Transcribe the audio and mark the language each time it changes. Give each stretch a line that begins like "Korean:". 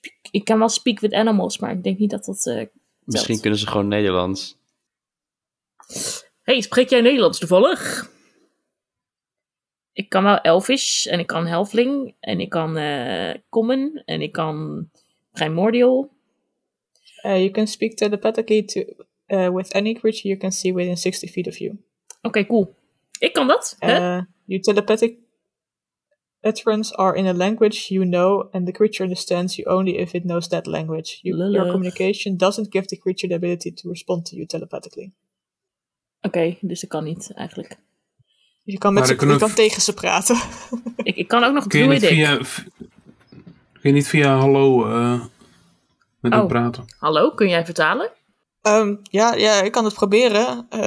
Dutch: Ik kan wel
English: speak with animals,
Dutch: maar ik denk niet dat dat... Misschien kunnen ze gewoon Nederlands. Hey, spreek jij Nederlands toevallig? Ik kan wel Elvish en ik kan Halfling en ik kan Common en ik kan Primordial.
English: You can speak telepathically to with any creature you can see within 60 feet of you.
Dutch: Okay, cool. Ik kan dat.
English: Your telepathic utterances are in a language you know, and the creature understands you only if it knows that language. Your communication doesn't give the creature the ability to respond to you telepathically.
Dutch: Okay, dus ik kan niet eigenlijk. Je kan met je kan tegen ze praten. ik kan ook nog druidic. Kun je niet via hallo. Praten. Hallo, kun jij vertalen? Ja, ik kan het proberen.